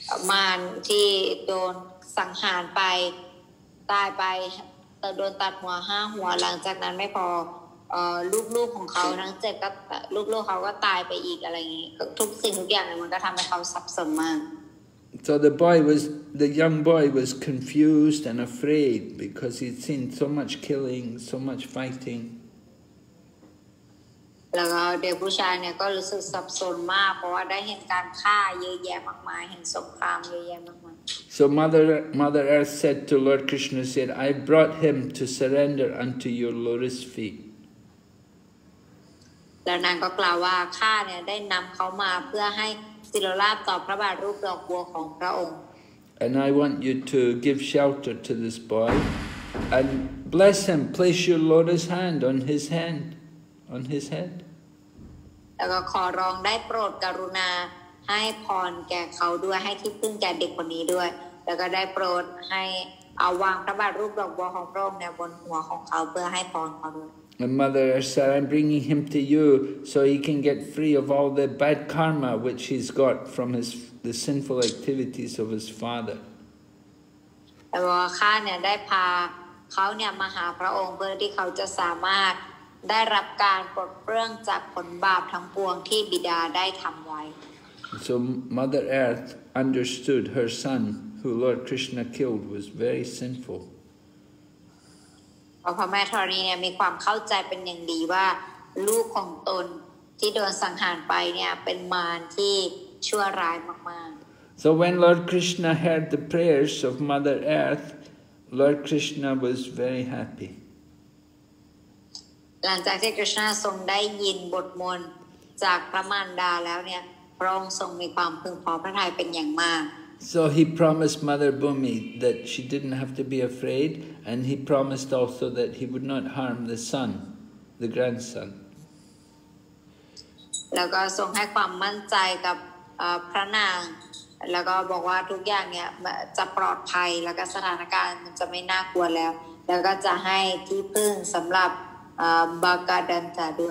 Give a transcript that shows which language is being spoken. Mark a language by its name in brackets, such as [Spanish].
[Thai] มารที่โดนสังหารไปตายไปโดนตัดหัวห้าหัวหลังจากนั้นไม่พอลูกๆของเขาทั้งเจ็ดก็ลูกๆเขาก็ตายไปอีกอะไรอย่างนี้ทุกสิ่งทุกอย่างเลยมันก็ทำให้เขาสับสนมาก [English] So the young boy was confused and afraid because he'd seen so much killing, so much fighting. [Thai] แล้วก็เด็กผู้ชายเนี่ยก็รู้สึกสับสนมากเพราะว่าได้เห็นการฆ่าเยอะแยะมากมายเห็นสงครามเยอะแยะมากมาย [English] So Mother Earth said to Lord Krishna, said, "I brought him to surrender unto your lotus feet." [Thai] แล้วนางก็กล่าวว่าข้าเนี่ยได้นำเขามาเพื่อให้ศิโลราชต่อพระบาทรูปดอกบัวของพระองค์ [English] And I want you to give shelter to this boy and bless him. Place your lotus hand on his hand, on his head. [Thai] แล้วก็ขอร้องได้โปรดกรุณาให้พรแก่เขาด้วยให้ที่พึ่งแก่เด็กคนนี้ด้วยแล้วก็ได้โปรดให้เอาวางพระบาทรูปดอกบัวของพระองค์เนี่ยบนหัวของเขาเพื่อให้พรเขาด้วย [English] And Mother said, "I'm bringing him to you so he can get free of all the bad karma which he's got from the sinful activities of his father." [Thai] แล้วข้าเนี่ยได้พาเขาเนี่ยมาหาพระองค์เพื่อที่เขาจะสามารถ ได้รับการปลดเปลื้องจากผลบาปทั้งปวงที่บิดาได้ทำไว้ [English] So Mother Earth understood her son who Lord Krishna killed was very sinful [Thai] พระแม่ธรณีเนี่ยมีความเข้าใจเป็นอย่างดีว่าลูกของตนที่โดนสังหารไปเนี่ยเป็นมารที่ชั่วร้ายมาก [English] ๆ So when Lord Krishna heard the prayers of Mother Earth Lord Krishna was very happy [Thai] หลังจากที่ Krishna ทรงได้ยินบทมนต์จากพระมารดาแล้วเนี่ยพระองค์ทรงมีความพึงพอพระทัยเป็นอย่างมาก [English] So he promised Mother Bhumi that she didn't have to be afraid and he promised also that he would not harm the son the grandson [Thai] แล้วก็ทรงให้ความมั่นใจกับพระนางแล้วก็บอกว่าทุกอย่างเนี่ยจะปลอดภัยแล้วก็สถานการณ์จะไม่น่ากลัวแล้วแล้วก็จะให้ที่พึ่งสําหรับBhagadatta,